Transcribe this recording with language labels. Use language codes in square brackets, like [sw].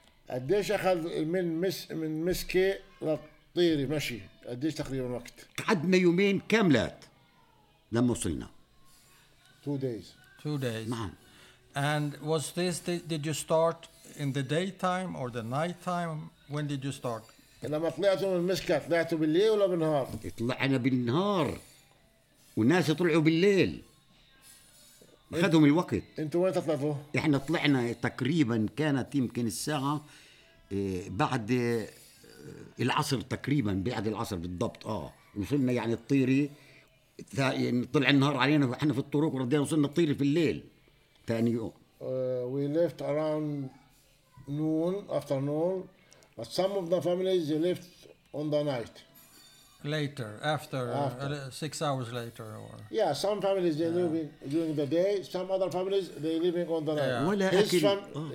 [ar] قديش اخذ من مسكي للطيري مشي قديش تقريبا وقت قعدنا يومين كاملات لما وصلنا [en] 2 days [ar] نعم [en] and was this did you start in the daytime or the night time when did you start [ar] لما طلعتوا من مسكي طلعتوا بالليل ولا بالنهار طلعنا بالنهار والناس طلعوا بالليل أخذهم الوقت انتوا وين طلعتوا احنا طلعنا تقريبا كانت يمكن الساعه بعد العصر تقريبا بعد العصر بالضبط وصلنا يعني الطيري طلع النهار علينا احنا في الطرق وردينا وصلنا الطيري في الليل ثاني يوم [en] we left around noon afternoon but some of the families left on the night Later, after 6 hours later, or yeah, some families they living during the day, some other families they living on the night.